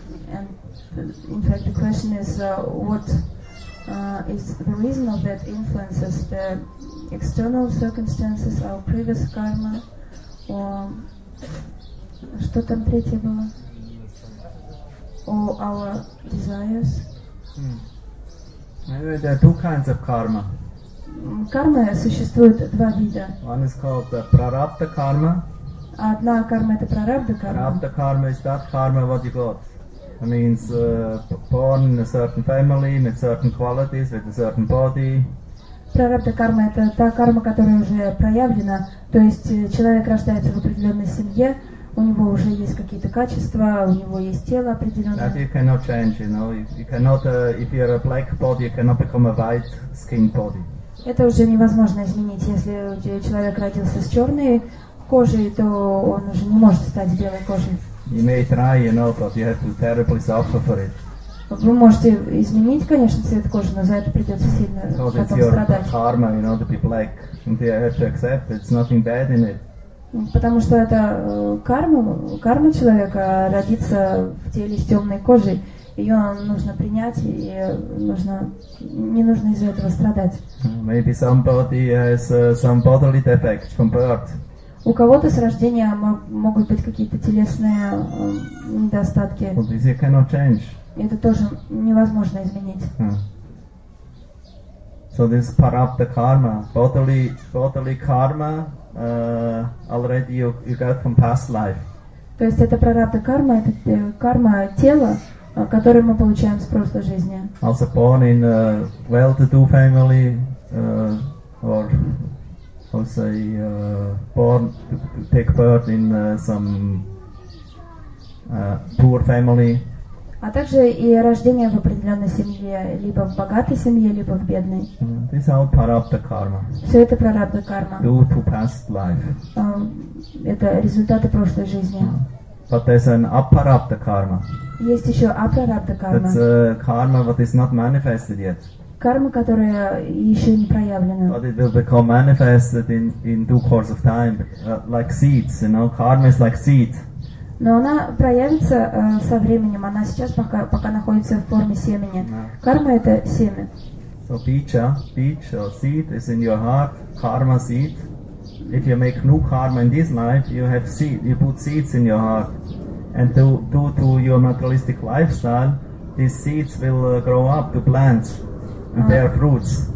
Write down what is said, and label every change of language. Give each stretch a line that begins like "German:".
English: and in fact the question is what is the reason of that influences, the external circumstances, our previous karma, or
Russian: что там третье было,
English: or our desires. Maybe there are two kinds of karma.
Russian: Карма существует два вида.
English: One is called the prarabdha karma.
Russian: Одна карма — это прарабдха карма.
English: Prarabdha karma is that karma what you got. It means born in a certain family, with certain qualities, with a certain body.
Russian: Прарабдха карма — это та карма, которая уже проявлена. То есть человек рождается в определенной семье, у него уже есть какие-то качества, у него есть тело определенное.
English: That you cannot change, you know. You cannot, if you're a black body, you cannot become a white skin body.
Russian: Это уже невозможно изменить. Если человек родился с черной кожей, то он уже не может стать белой кожей.
English: You may try, you know, but you have to terribly suffer for it.
Russian: Вы можете изменить, конечно, цвет кожи, но за это придется сильно потом страдать.
English: Because it's your karma, you know, to be black. And you have to accept it. It's nothing bad in it.
Russian: Потому что это карма человека — родиться в теле с темной кожей. Ее нужно принять, и не нужно из-за этого страдать.
English: Maybe somebody has some bodily defects from birth.
Russian: У кого-то с рождения могут быть какие-то телесные недостатки.
English: But this you cannot change.
Russian: Это тоже невозможно изменить.
English: So this prarabdha karma, bodily karma, already you got from past life.
Russian: То есть это прарабдха карма, это карма тела. который мы получаем с прошлой жизни.
English: Also born in a well-to-do family, or how say, born to take birth in some poor family.
Russian: А также и рождение в определенной семье, либо в богатой семье, либо в бедной.
English: This all prarabdha karma.
Russian: Все это прарабдха карма.
English: Due to past life.
Russian: Это результаты прошлой жизни.
English: But there's an aparabdha karma.
Russian: Есть еще апрарабдха карма.
English: That's karma that is not manifested yet.
Russian: Карма, которая еще не проявлена.
English: But it will become manifested in due course of time, like seeds. You know, karma is like seed.
Russian: Но она проявится со временем. Она сейчас пока находится в форме семени. Yeah. Карма это семя.
English: So peach or seed is in your heart, karma seed. If you make new karma in this life, you have seed. You put seeds in your heart, and due to your materialistic lifestyle, these seeds will grow up to plants and bear fruits.